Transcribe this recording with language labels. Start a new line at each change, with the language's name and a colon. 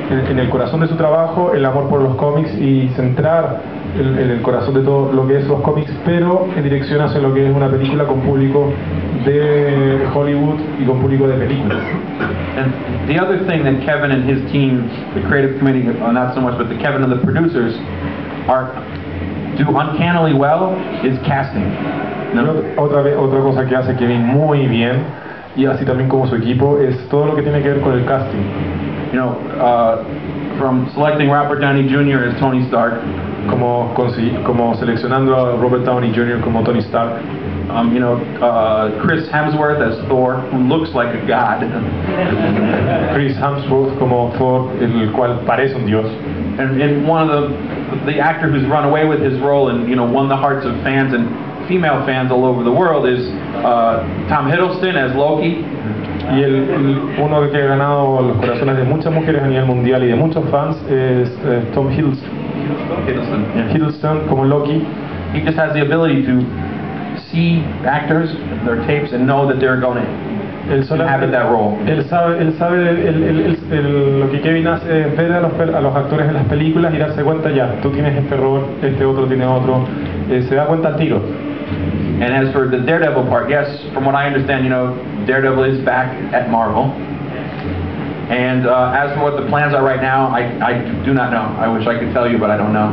Spanish: en el corazón de su trabajo, el amor por los cómics, y centrar el corazón de todo lo que es los cómics, pero en dirección hacia lo que es una película con público de Hollywood y con público de películas.
English: And the other thing that Kevin and his team, the creative committee, not so much, but the Kevin and the producers, do uncannily well is casting.
Spanish: No? Otra cosa que hace Kevin muy bien, y así también como su equipo, es todo lo que tiene que ver con el casting.
English: You know, from selecting Robert Downey Jr. as Tony Stark,
Spanish: como seleccionando a Robert Downey Jr. como Tony Stark,
English: you know, Chris Hemsworth as Thor, who looks like a god.
Spanish: Chris Hemsworth como Thor, el cual parece un dios.
English: And one of the actor who's run away with his role and, you know, won the hearts of fans and female fans all over the world is Tom Hiddleston as Loki.
Spanish: Y uno que ha ganado los corazones de muchas mujeres a nivel mundial y de muchos fans es Tom Hiddleston.
English: Yeah.
Spanish: Hiddleston como Loki.
English: He just has the ability to see actors and their tapes and know that they're going to inhabit that role.
Spanish: Él sabe lo que Kevin hace es ver a los actores en las películas y darse cuenta ya, tú tienes este rol, este otro tiene otro, se da cuenta al tiro.
English: And as for the Daredevil part, yes, from what I understand, you know, Daredevil is back at Marvel. And as for what the plans are right now, I do not know. I wish I could tell you, but I don't know.